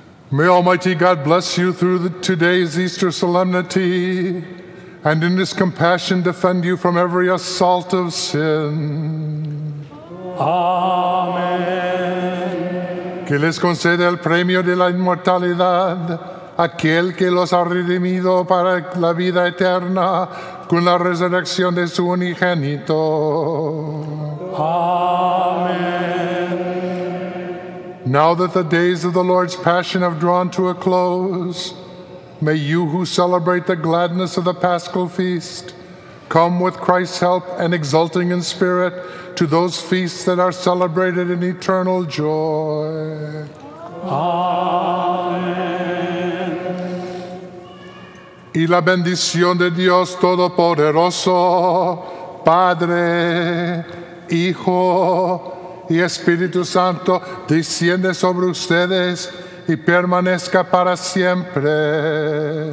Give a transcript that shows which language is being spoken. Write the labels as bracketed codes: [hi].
[en] May Almighty God bless you through today's Easter solemnity, and in his compassion defend you from every assault of sin. Amen. [es] Que les conceda el premio de la inmortalidad, aquel que los ha redimido para la vida eterna con la resurrección de su unigénito. Amen. [en] Now that the days of the Lord's passion have drawn to a close, may you who celebrate the gladness of the Paschal feast come with Christ's help and exulting in spirit to those feasts that are celebrated in eternal joy. Amen. [es] Y la bendición de Dios Todopoderoso, Padre, Hijo y Espíritu Santo, desciende sobre ustedes y permanezca para siempre.